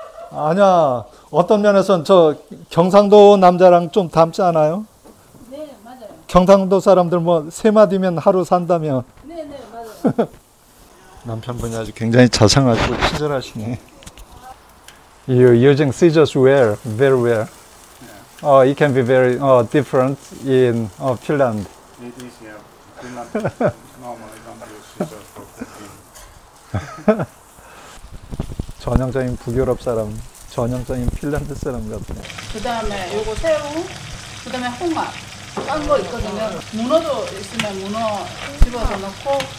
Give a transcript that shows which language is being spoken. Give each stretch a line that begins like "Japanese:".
Korean: 아니야. 어떤 면에서는 저 경상도 남자랑 좀 닮지 않아요? 경상도 사람들 뭐 세 마디면 하루 산다며. 네네 맞아요. 남편분이 아주 굉장히 자상하고 친절하시네.
English: You're using scissors well, very well. Yeah. It can be very different in Finland. It is, yeah. Finland normally don't use scissors for cooking.
Korean: 전형적인 북유럽 사람, 전형적인 핀란드 사람 같아요. 그 다음에 요거 새우, 그 다음에 홍합. 딴 거 있거든요. 문어도 있으면 문어 집어서 넣고.